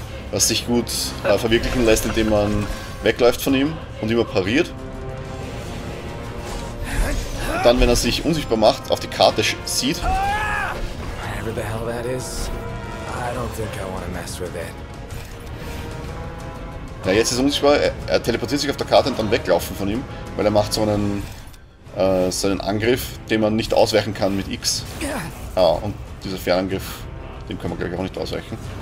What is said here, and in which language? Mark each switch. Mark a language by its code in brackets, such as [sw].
[de] Was sich gut verwirklichen lässt, indem man wegläuft von ihm und immer pariert. Und dann, wenn er sich unsichtbar macht, auf die Karte sieht. [en] Whatever the hell that is, I don't think I want to mess with it. [de] Ja, jetzt ist unsichtbar, er teleportiert sich auf der Karte und dann weglaufen von ihm, weil er macht so einen Angriff, den man nicht ausweichen kann mit X. Ja, und dieser Fernangriff, dem kann man gleich auch nicht ausweichen.